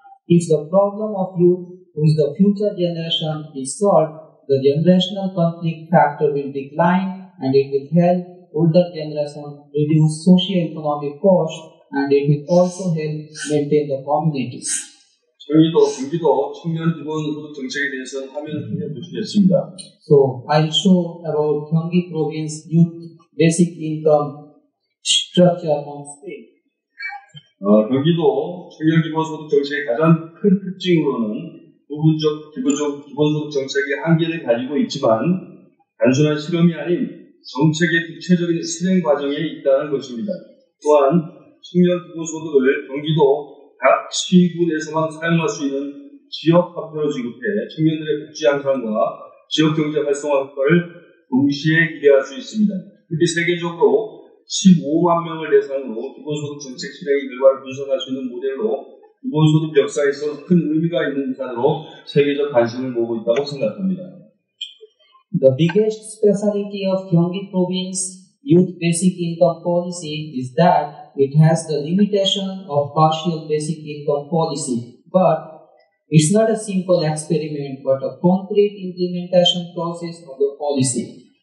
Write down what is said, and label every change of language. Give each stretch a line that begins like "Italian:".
English: If the problem of youth, who is the future generation, is solved, the generational conflict factor will decline and it will help older generation reduce socio-economic cost and it will also help maintain the communities.
Korean: 저희도 경기도 청년 기본 소득 정책에 대해서 화면을 통해 보시겠습니다.
English: So I'll show about Gyeonggi Province youth basic income structure on screen.
Korean: 경기도 청년 기본 소득 정책의 가장 큰 특징으로는 부분적 기본적 기본 소득 정책의 한계를 가지고 있지만 단순한 실험이 아닌 정책의 구체적인 실행 과정에 있다는 것입니다. 또한 청년 기본 소득을 경기도 각 시군에서만 사용할 수 있는 지역 화폐로 지급해 청년들의 복지 향상과 지역 경제 활성화 효과를 동시에 기대할 수 있습니다. 특히 세계적으로 15만 명을 대상으로 기본소득 정책 실행의 결과를 분석할 수 있는 모델로 기본소득 역사에서 큰 의미가 있는 사례로 세계적 관심을 모으고 있다고 생각합니다.
English: The biggest specialty of Gyeonggi Province Youth Basic Income Policy is that it has the limitation of partial basic income policy, but It's not a simple experiment, but a concrete implementation process of the policy.